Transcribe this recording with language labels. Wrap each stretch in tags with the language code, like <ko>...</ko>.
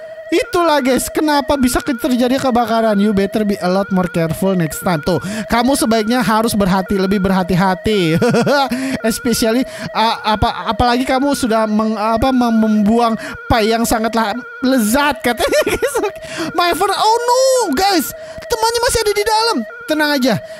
<id>Itulah, guys, kenapa bisa terjadi kebakaran.</id> <en>You better be a lot more careful next time.</en> <id>Tuh, kamu sebaiknya harus lebih berhati-hati. Especially apalagi kamu sudah membuang pie yang sangatlah lezat, katanya, guys.</id> <en>My friend, oh no,</en> <id>guys. Temannya masih ada di dalam. Tenang aja.</id>